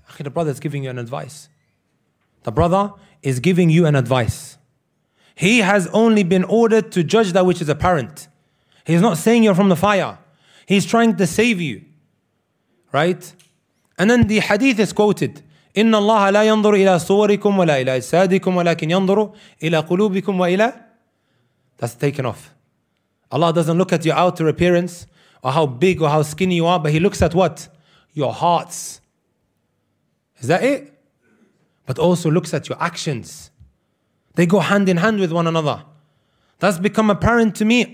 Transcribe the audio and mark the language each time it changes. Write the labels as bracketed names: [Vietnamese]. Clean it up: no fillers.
[English] Akhi, the brother is giving you an advice. The brother is giving you an advice. He has only been ordered to judge that which is apparent. He's not saying you're from the fire. He's trying to save you. Right? And then the hadith is quoted. [Arabic] إن الله لا ينظر إلى صوركم ولا إلى أجسادكم ولكن ينظر إلى قلوبكم وإلى. [English] That's taken off. Allah doesn't look at your outer appearance or how big or how skinny you are, but He looks at what? Your hearts. Is that it? But also looks at your actions. They go hand in hand with one another. That's become apparent to me.